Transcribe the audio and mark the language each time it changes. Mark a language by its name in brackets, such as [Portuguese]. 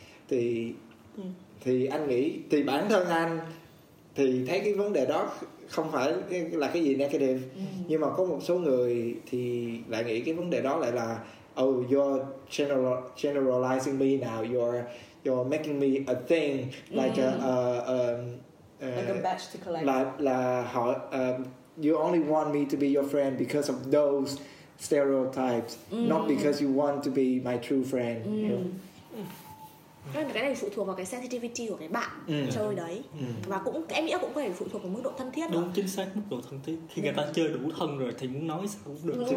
[Vietnamese] Thì thì anh nghĩ thì bản thân anh thì thấy cái vấn đề đó không phải là cái gì negative, nhưng mà có một số người thì lại nghĩ cái vấn đề đó lại là [English] oh you're generalizing me now, you're making me a thing like like a batch to collect. [Vietnamese] Là họ [English] you only want me to be your friend because of those stereotypes, not because you want to be my true friend. [Vietnamese] Cái này phụ thuộc vào cái sensitivity của cái bạn chơi đấy. Và cũng em nghĩ cũng có thể phụ thuộc vào mức độ thân thiết đó. Đúng, chính xác, mức độ thân thiết. Khi người ta chơi đủ thân rồi thì muốn nói sao cũng được.